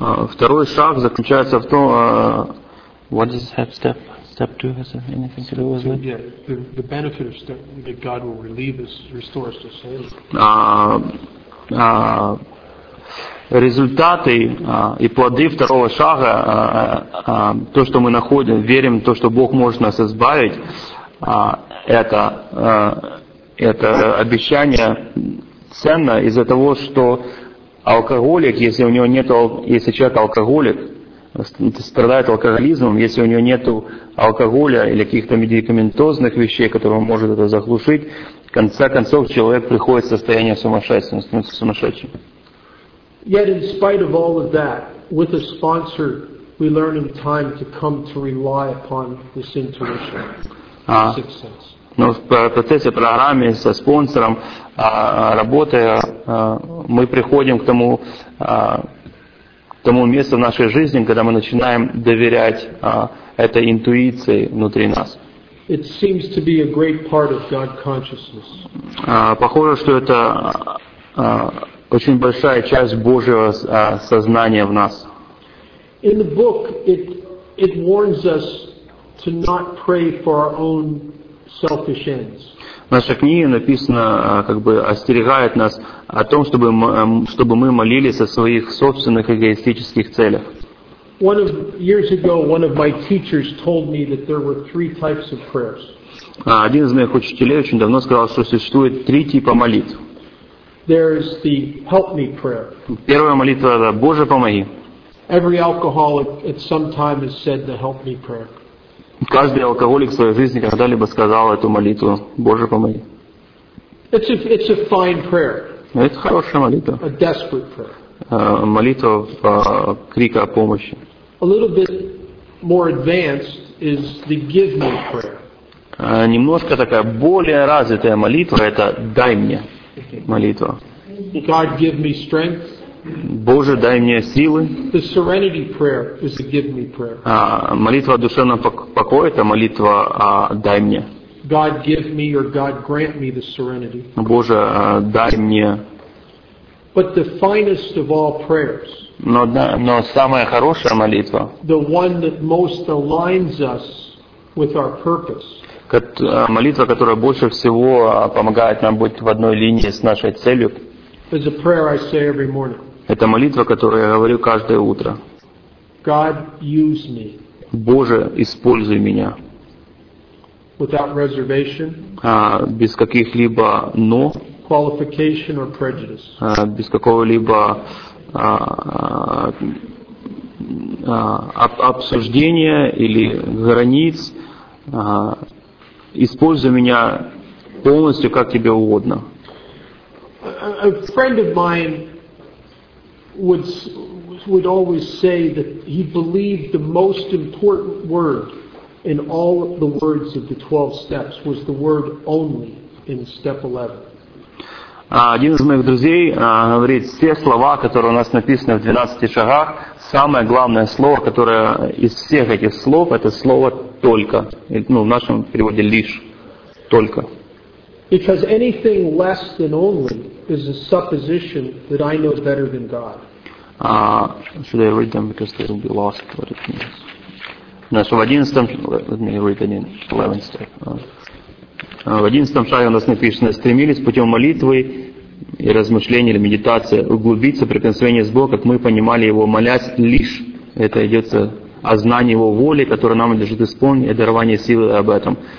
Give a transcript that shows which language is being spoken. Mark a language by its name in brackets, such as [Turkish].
[Russian] Второй шаг заключается в том, [English] what is step? step two has anything to do with it? Yeah, the benefit of step that God will relieve us, restore us to sin. [Russian] Результаты и плоды второго шага, то, что мы находим, верим, то, что Бог может нас избавить, это обещание ценно из-за того, что алкоголик, если у него нет, если человек алкоголик, страдает алкоголизмом, если у него нет алкоголя или каких-то медикаментозных вещей, которые он может это заглушить, в конце концов человек приходит в состояние сумасшествия, он становится сумасшедшим. [English] Yet in spite of all of that, with a sponsor, we learn in time to come to rely upon this intuition. [Russian] Но в процессе программы со спонсором, работая, мы приходим к тому, тому месту в нашей жизни, когда мы начинаем доверять этой интуиции внутри нас. [English] It seems to be a great part of God consciousness. [Russian] Похоже, что это очень большая часть Божьего сознания в нас. [English] In the book, it warns us to not pray for our own selfish ends. [Russian] В нашей книге написано, как бы остерегает нас о том, чтобы мы молились о своих собственных эгоистических целях. [English] Years ago, one of my teachers told me that there were three types of prayers. [Russian] Один из моих учителей очень давно сказал, что существует три типа молитв. [English] There's the help me prayer. [Russian] Первая молитва это Боже помоги. [English] Every alcoholic at some time has said the help me prayer. [Russian] Каждый алкоголик в своей жизни когда-либо сказал эту молитву Боже помоги. [English] It's a fine prayer. [Russian] Это хорошая молитва. [English] A desperate prayer. [Russian] Молитва крика о помощи. [English] A little bit more advanced is the give me prayer. [Russian] Немножко такая более развитая молитва это дай мне. Молитва. [English] God give me strength. [Russian] Боже, дай мне силы. [English] The serenity prayer is a give me prayer. [Russian] Молитва о душевном покое это молитва дай мне. [English] God give me or God grant me the serenity. [Russian] Боже, дай мне. [English] But the finest of all prayers. [Russian] Но самая хорошая молитва. [English] The one that most aligns us with our purpose. [Russian] Молитва, которая больше всего помогает нам быть в одной линии с нашей целью. Это молитва, которую я говорю каждое утро. [English] God, use me. [Russian] Боже, используй меня. [English] Without reservation, [Russian] без каких-либо но. [English] Qualification or prejudice. [Russian] Без какого-либо обсуждения или границ. Используй меня полностью, как тебе угодно. [English] A friend of mine would always say that he believed the most important word in all the words of the 12 steps was the word only in step 11. [Russian] Один из моих друзей говорит, все слова, которые у нас написаны в 12 шагах, самое главное слово, которое из всех этих слов, это слово «только». Ну, в нашем переводе «лишь», «только». [English] Because anything less than only is a supposition that I know better than God. Should I read them, because they will be lost, what it means. No, so [Russian] в 11-м, [English] let me read it in 11 step. [Russian] В 11-м шаге у нас написано, стремились путем молитвы и размышления или медитации углубиться в прикосновение с Богом, как мы понимали его, молясь лишь. Это идется о знании его воли, которое нам лежит исполнить, и дарование силы об этом.